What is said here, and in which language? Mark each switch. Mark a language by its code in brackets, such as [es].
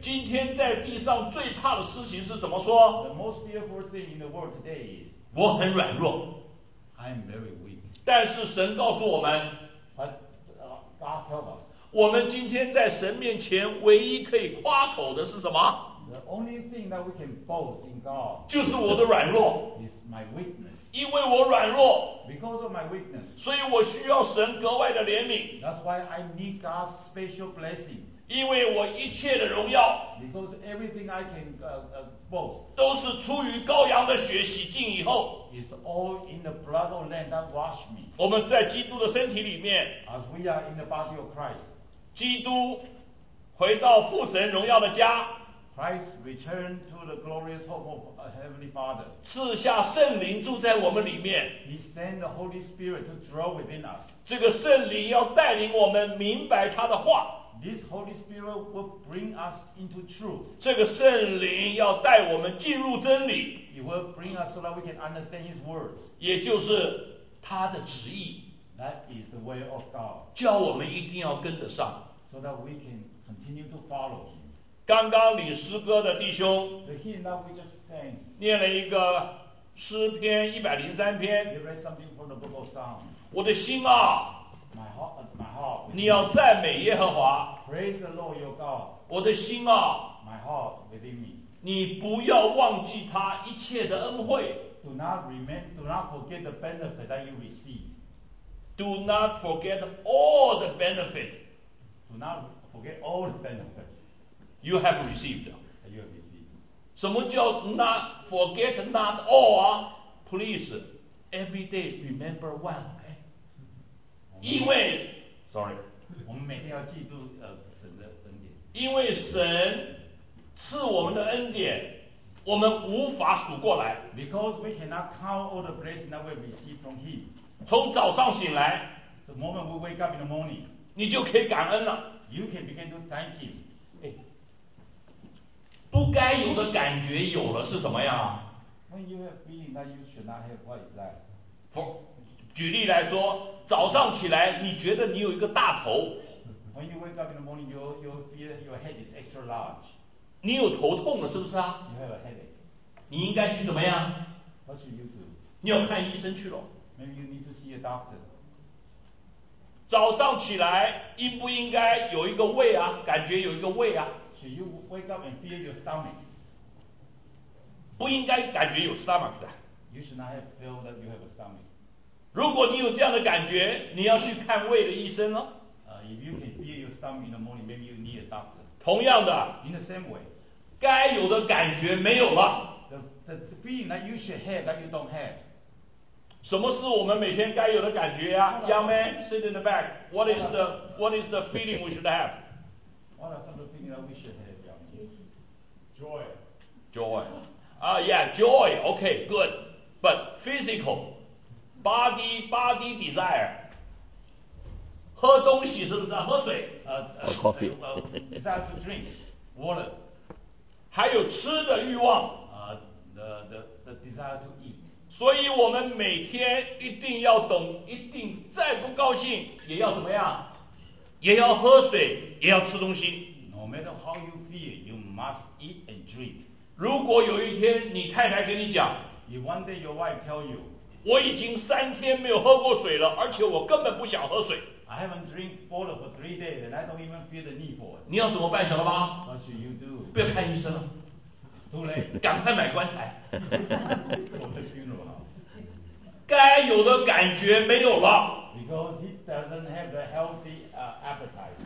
[zh] 今天在地上最怕的事情是怎么说 [en] ？The most fearful thing in the world today is. [zh] 我很软弱。 [en] I'm very weak. [zh] 但是神告诉我们。 [en] But God help us. [zh] 我们今天在神面前唯一可以夸口的是什么？ [en] The only thing that we can boast in God [zh] 就是我的软弱。 [en] Is my weakness. [zh] 因为我软弱。 [en] Because of my weakness. [zh] 所以我需要神格外的怜悯。 [en] That's why I need God's special blessing. [zh] 因为我一切的荣耀。 [en] Because everything I can boast. [zh] 都是出于羔羊的血洗净以后。 [en] It's all in the blood of lamb that washed me. [zh] 我们在基督的身体里面。 [en] As we are in the body of Christ. [zh] 基督回到父神荣耀的家， [en] Christ returned to the glorious home of a heavenly father. [zh] 赐下圣灵住在我们里面， [en] He sent the Holy Spirit to dwell within us. [zh] 这个圣灵要带领我们明白他的话， [en] This Holy Spirit will bring us into truth. [zh] 这个圣灵要带我们进入真理， [en] He will bring us so that we can understand His words. [zh] 也就是他的旨意。 [en] That is the way of God. [zh] 叫我们一定要跟得上。 [en] So that we can continue to follow him. [zh] 刚刚领诗歌的弟兄， [en] The hymn that we just sang. [zh] 念了一个诗篇103篇。 [en] You read something from the book of Psalms. [zh] 我的心啊， [en] My heart. [zh] 你要赞美耶和华。 [en] Praise the Lord your God. [zh] 我的心啊， [en] My heart within me. [zh] 你不要忘记他一切的恩惠。 [en] Do not forget the benefit that you received. Do not forget all the benefit. Do not forget all the benefit. You have received. You have received. [zh] 什么叫 [en] not forget not all? Please, every day remember one. Okay. [zh] 因为 [en] sorry. [zh] 我们每天要记住神的恩典。因为神赐我们的恩典，我们无法数过来。 [en] Because we cannot count all the blessings that we receive from Him. [zh] 从早上醒来 [en] ，The moment we wake up in the morning， [zh] 你就可以感恩了。 [en] You can begin to thank him。 [zh] 不该有的感觉有了是什么呀 [en] ？When you have feeling that you should not have, what is that？ [zh] 举例来说，早上起来你觉得你有一个大头。 [en] When you wake up in the morning, you feel your head is extra large。 [zh] 你有头痛了是不是啊 [en] ？You have a headache。 [zh] 你应该去怎么样 [en] ？What should you do？ [zh] 你要看医生去了。 [en] Maybe you need to see a doctor. [zh] 早上起来应不应该有一个胃啊？感觉有一个胃啊 [en] ？Should you wake up and feel your stomach? [zh] 不应该感觉有 stomach 的。 [en] You should not have felt that you have a stomach. [zh] 如果你有这样的感觉，你要去看胃的医生哦。 [en] If you can feel your stomach in the morning, maybe you need a doctor. [zh] 同样的 [en] ，In the same way, [zh] 该有的感觉没有了。 [en] The feeling that you should have that you don't have. [zh] 什么是我们每天该有的感觉呀、啊、？ [en] Young man, sit in the back. What is the feeling we should have? What are some of the feelings that we should have, young man? Joy. Joy. Yeah, joy. Okay, good. But physical, body desire. [zh] 喝东西是不是、啊、喝水？ [en] Coffee. Desire to drink water. [zh] 还有吃的欲望。 [en] The desire to eat. [zh] 所以我们每天一定要懂，一定再不高兴也要怎么样，也要喝水，也要吃东西。 [en] No matter how you feel, you must eat and drink. [zh] 如果有一天你太太跟你讲 [en] ，If one day your wife tell you, [zh] 我已经三天没有喝过水了，而且我根本不想喝水。 [en] I haven't drink water for 3 days and I don't even feel the need for it. [zh] 你要怎么办，晓得吗 [en] ？What should you do? [zh] 不要看医生了。 [en] Too late. [zh] 赶快买棺材。 [en] For the funeral house. [zh] 该有的感觉没有了。 [en] Because he doesn't have the healthy appetite.